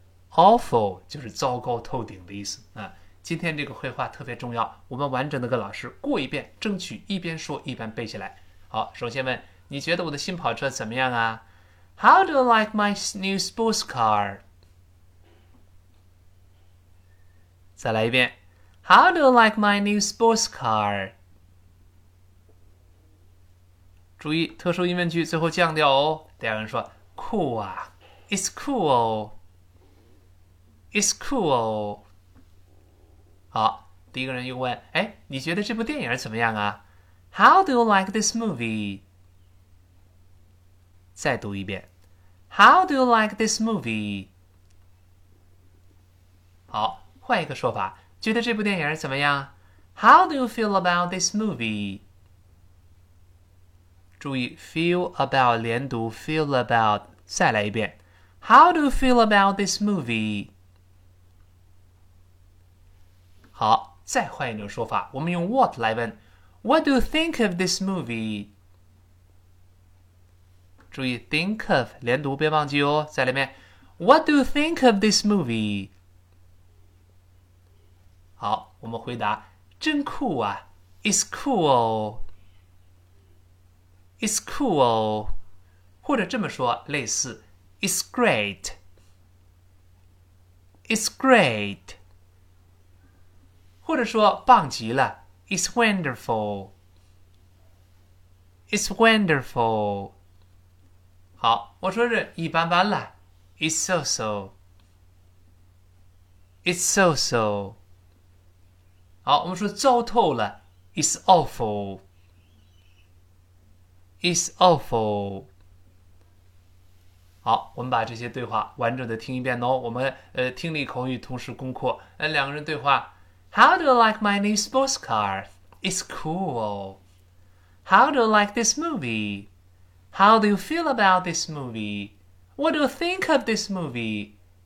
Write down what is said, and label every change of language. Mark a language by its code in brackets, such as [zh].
[zh] Awful 就是糟糕透顶的意思啊。今天这个会话特别重要，我们完整的跟老师过一遍，争取一边说一边背下来。好，首先问你觉得我的新跑车怎么样啊？ [en] How do you like my new sports car？ [zh] 再来一遍， [en] How do you like my new sports car？ [zh] 注意，特殊疑问句最后降调哦。第二个人说。酷啊， [en] It's cool, It's cool。 [zh] 好，第一个人又问：“哎，你觉得这部电影怎么样啊？” [en] How do you like this movie？ [zh] 再读一遍： [en] How do you like this movie？ [zh] 好，换一个说法，觉得这部电影怎么样？ [en] How do you feel about this movie？注意，feel about 连读，feel about。 [zh] 再来一遍， [en] How do you feel about this movie？ [zh] 好，再换一种说法，我们用 what 来问， [en] What do you think of this movie？ [zh] 注意 think of 连读，别忘记哦。再来一遍， [en] What do you think of this movie？ [zh] 好，我们回答，真酷啊， [en] It's cool，It's cool， [zh] 或者这么说，类似。 [en] It's great. It's great. [zh] 或者说棒极了， [en] It's wonderful。 It's wonderful。 [zh] 好，我说是一般般了， [en] It's so-so。 It's so-so。 [zh] 好，我们说糟透了， [en] It's awful。 It's awful。 [zh] 好，我们把这些对话完整的听一遍喽。我们听力、口语同时攻克。两个人对话： [en] How do you like my new sports car? It's cool. How do you like this movie? How do you feel about this movie? What do you think of this movie?